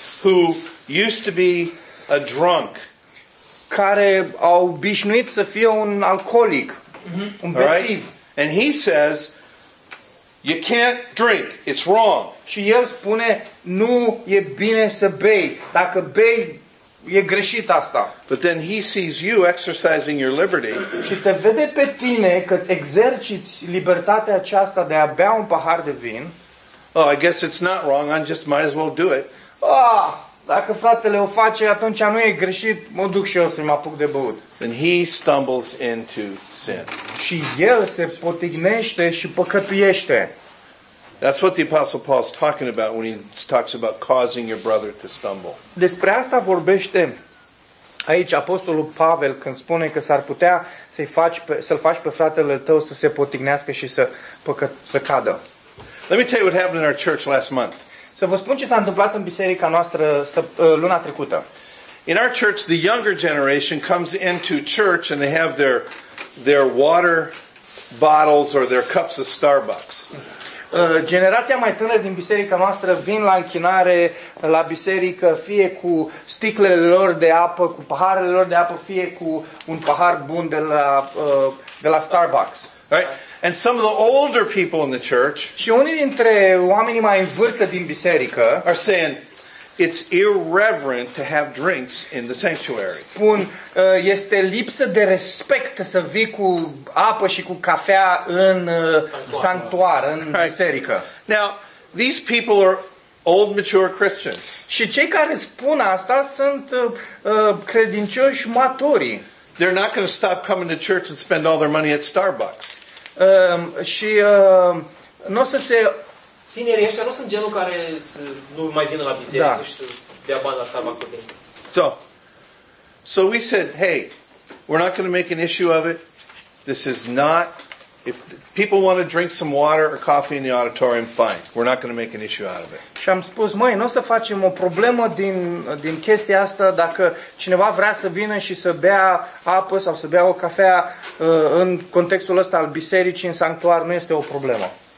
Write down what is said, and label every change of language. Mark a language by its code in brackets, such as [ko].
[en] who used to be a drunk. [ro] Care a obișnuit să fie un alcoolic, un bețiv. [en] All right? And he says, you can't drink. It's wrong. [ro] Și el spune, nu e bine să bei. Dacă bei, e greșit asta. [en] But then he sees you exercising your liberty. [ro] Și te vede pe tine că îți exerciți libertatea aceasta de a bea un pahar de vin. [en] Oh, I guess it's not wrong. I just might as well do it. [ro] Ah, dacă fratele o face, atunci nu e greșit. Mă duc și eu să mă apuc de băut. [en] Then he stumbles into sin. [ro] Și el se potignește și păcătuiește. [en] That's what the Apostle Paul is talking about when he talks about causing your brother to stumble. [ro] Despre asta vorbește aici Apostolul Pavel când spune că s-ar putea să-l faci pe fratele tău să se potignească și să cadă. [en] Let me tell you what happened in our church last month. [ro] Să vă spun ce s-a întâmplat în biserica noastră luna trecută. [en] In our church, the younger generation comes into church and they have their water bottles or their cups of Starbucks. [ro] Generația mai tânără din biserica noastră vin la închinare la biserică fie cu sticlele lor de apă, cu paharele lor de apă, fie cu un pahar bun de la Starbucks. [en] Right? And some of the older people in the church. [ro] Și unii dintre oamenii mai în vârstă din biserică [en] are saying it's irreverent to have drinks in the sanctuary. [ro] Spun, este lipsă de respect să vii cu apă și cu cafea în sanctuar, în biserică. [en] Now, these people are old, mature Christians. [ro] Și cei care spun asta sunt credincioși maturi. [en] They're not going to stop coming to church and spend all their money at Starbucks. [ro] Și nu o să se... Tinerii ăștia nu sunt genul care să nu mai vină la biserică da. Și să dea bani la Starbucks. [en] So we said, hey, we're not going to make an issue of it. This is not, if people want to drink some water or coffee in the auditorium, fine. We're not going to make an issue out of it. [ro] Și am spus, măi, nu o să facem o problemă din chestia asta dacă cineva vrea să vină și să bea apă sau să bea o cafea în contextul ăsta al bisericii, în sanctuar, nu este o problemă.